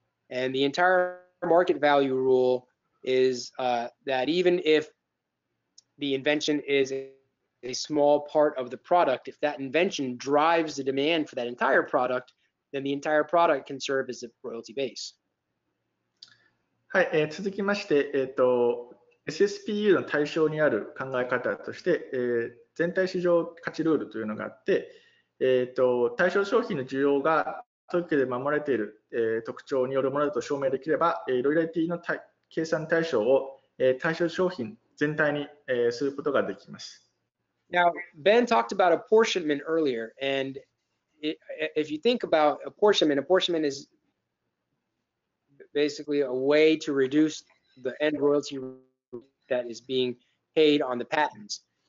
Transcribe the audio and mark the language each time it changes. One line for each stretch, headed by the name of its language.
English: And the entire market value rule is that even if the invention is a small part of the product, if that invention drives the demand for that entire product, then the entire product can serve as a royalty base.
Japanese: はい、続きまして、SSPU の対象にある考え方として、全体市場価値ルールというのがあって、対象商品の需要が特許で守られている、特徴によるものだと証明できれば、ロイヤリティの計算対象を、対象商品全体に、することができます。
English: Now, Ben talked about apportionment earlier, and if you think about apportionment, apportionment is basically a way to reduce the end royalty that is being paid on the patents.